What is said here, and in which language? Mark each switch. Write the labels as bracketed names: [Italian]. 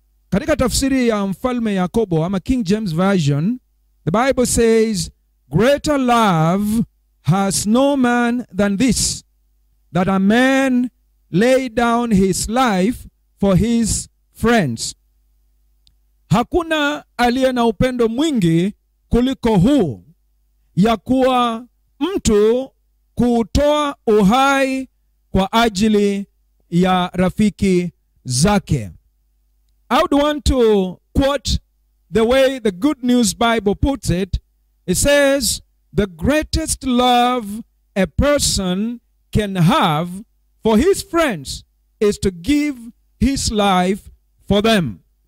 [Swahili] Katika tafsiri ya Mfalme Yakobo ama [English] King James Version, the Bible says, greater love has no man than this, that a man lay down his life for his friends. [Swahili] Hakuna aliye na upendo mwingi kuliko huu, ya kuwa mtu kutoa uhai kwa ajili ya rafiki zake. [English] I would want to quote the way the Good News Bible puts it. It says, the greatest love a person can have for his friends is to give his life for them.